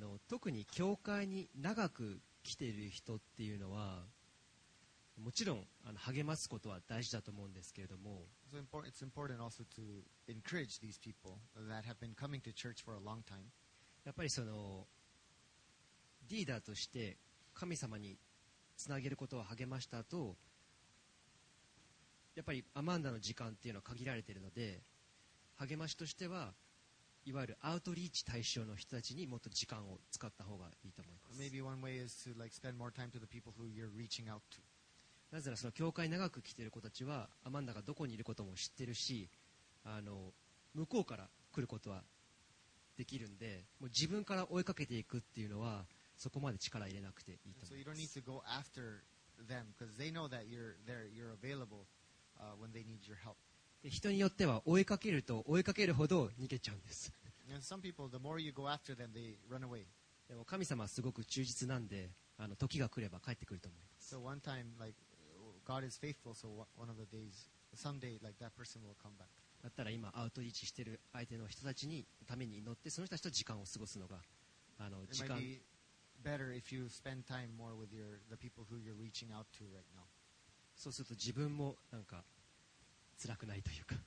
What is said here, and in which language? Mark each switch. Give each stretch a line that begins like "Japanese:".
Japanese: 特に教会に長く来てる人っていうのはもちろん励ますことは大事だと思うんですけれども、
English: so、it's important also to encourage these people that have been coming to church for a long time.
Japanese: やっぱりそのリーダーとして神様につなげることを励ましたと、やっぱりアマンダの時間っていうのは限られているので、励ましとしてはいわゆるアウトリーチ対象の人たちにもっと時間を使った方がいいと思います。
English: Maybe one way is to like spend more time to the people who you're reaching out to.
Japanese: なぜならその教会に長く来ている子たちはアマンダがどこにいることも知ってるし向こうから来ることはできるんでもう自分から追いかけていくっていうのはそこまで力入れなくていいと思います。
English: So you don't need to go after them because they know that you're there, you're available when they need your help.
Japanese: 人によっては追いかけると追いかけるほど逃げちゃうんです。
English: And some people, the more you go after them, they run away.
Japanese: でも神様はすごく忠実なんで時が来れば帰ってくると思います。
English: So one time, likeGod is faithful, so one of the days, someday, like that person will come back.
Japanese: だったら今アウトリーチしている相手の人たちにために祈って、その人たちと時間を過ごすのが時間。
English: It might be better if you spend time more with the people who you're reaching out to right now.
Japanese: そうすると自分もなんか辛くないというか。